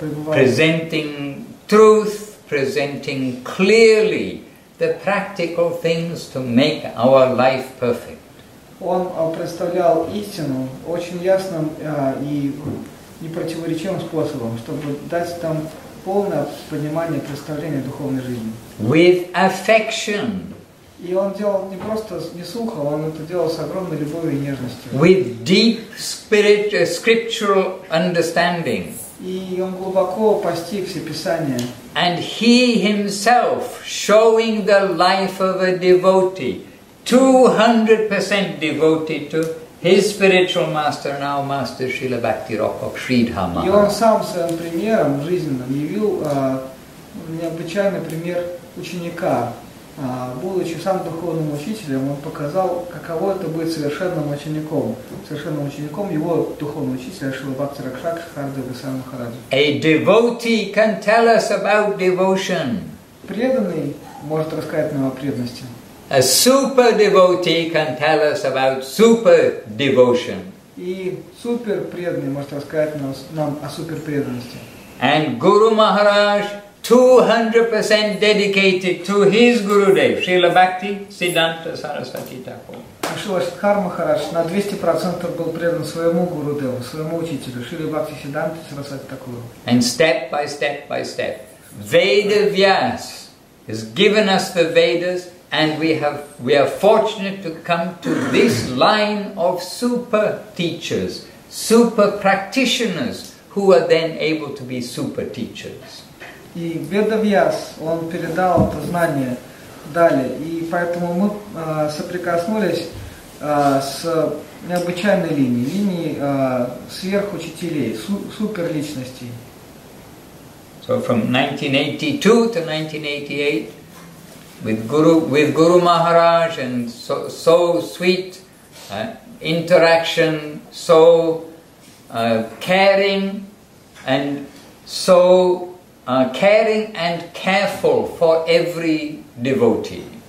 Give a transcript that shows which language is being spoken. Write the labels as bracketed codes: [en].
[en] Presenting truth, presenting clearly the practical things to make our life perfect. [ru] Он представлял истину очень ясным и непротиворечивым способом, чтобы дать там полное понимание представления духовной жизни. [en] With affection. [ru] И он делал не просто не сухо, он это делал с огромной любовью и нежностью. [en] With deep scriptural understanding. [ru] И он глубоко постиг все писания. [en] And he himself showing the life of a devotee. 200% devoted to his spiritual master, now Master Srila Bhakti Rokok Sridhar Maharaj. [ru] И он сам своим примером жизненным явил необычайный пример ученика. Будучи сам духовным учителем, он показал, каково это быть совершенным учеником его духовного учителя Шрила Бхакти Ракшак Шрихарда Гасвами Махараджа. [en] A devotee can tell us about devotion. [ru] Преданный может рассказать нам о преданности. [en] A super devotee can tell us about super devotion. [ru] И супер преданный может рассказать нам о супер преданности. [en] And Guru Maharaj, 200% dedicated to his Gurudev, Srila Bhakti Siddhanta Saraswati Thakur. [ru] Шрила Шридхар Махарадж на 200% был предан своему Гурудеву, своему учителю, Шрила Бхакти Сиддханте Сарасвати Такуру. [en] And step by step, Veda Vyas has given us the Vedas. And we are fortunate to come to this line of super teachers, super practitioners, who are then able to be super teachers. [ru] И Ведавьяс, он передал это знание далее, и поэтому мы соприкоснулись с необычайной линией, линией сверхучителей, суперличностей. [en] So from 1982 to 1988. With Guru Maharaj and so sweet interaction, so caring and careful for every devotee.